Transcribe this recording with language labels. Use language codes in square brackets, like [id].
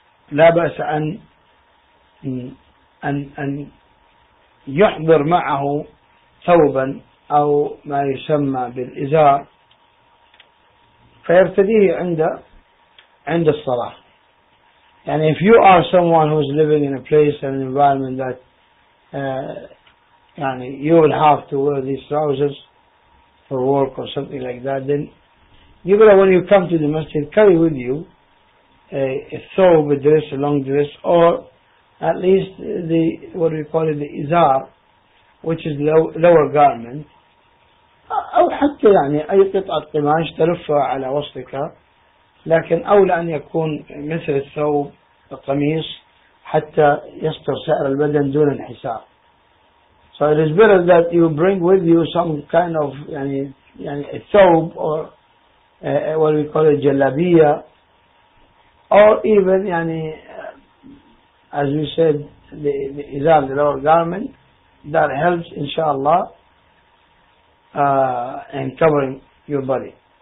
[ar] لا بأس أن أن أن يحضر معه ثوبا أو ما يسمى بالإزار فيرتديه عند الصلاة. [en] And if you are someone who is living in a place and an environment that يعني you will have to wear these trousers for work or something like that, then you better, when you come to the masjid, carry with you a thawb, a dress, a long dress, or at least the, what we call it, the izar, which is lower garment. [ar] أو حتى يعني أي قطعة قماش تلفها على وسطك, لكن أولى أن يكون مثل الثوب القميص حتى يستر سائر البدن دون انحسار. [en] So it is better that you bring with you some kind of يعني a thawb or what we call a جلابية, or even يعني as we said the إزار, the lower garment that helps [ar] إن شاء الله [en] and covering your body.